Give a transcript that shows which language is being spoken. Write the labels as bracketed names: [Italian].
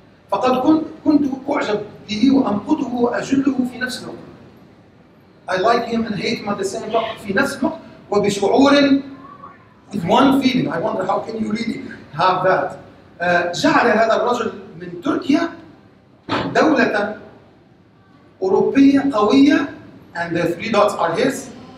[Arabic] فقد كنت أعجب به وأنقده وأجله في نفس الوقت. [English] I like him and hate him at the same time. [Arabic] في نفس الوقت وبشعور, [English] with one feeling. I wonder how can you really have that. [Arabic] جعل هذا الرجل من تركيا دولة أوروبية قوية, [English] and the three dots are his.